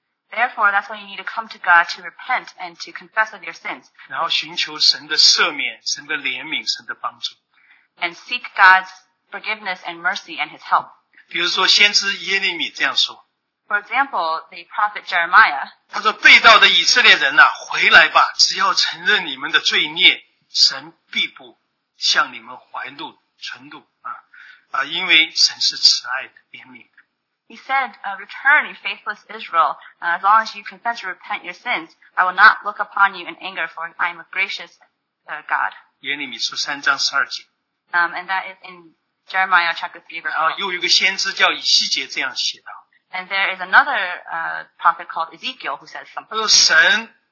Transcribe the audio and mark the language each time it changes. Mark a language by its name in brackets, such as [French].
[English] Therefore, that's why you need to come to God to repent and to confess of your sins. [Chinese] 然后寻求神的赦免，神的怜悯，神的帮助。 [English] And seek God's forgiveness and mercy and His help. [Chinese] 比如说先知耶利米这样说。 [English] For example, the prophet Jeremiah. [Chinese] 他说：“被盗的以色列人呐，回来吧！只要承认你们的罪孽，神必不向你们怀怒、存怒啊！因为神是慈爱的、怜悯。” [English] He said, "Return, you faithless Israel. As long as you confess and repent your sins, I will not look upon you in anger, for I am a gracious God." [Chinese] 耶利米书3:12. [English] And that is in Jeremiah chapter 3, verse 12. [Chinese] 又有一个先知叫以西结这样写道。 [English] And there is another prophet called Ezekiel who says something.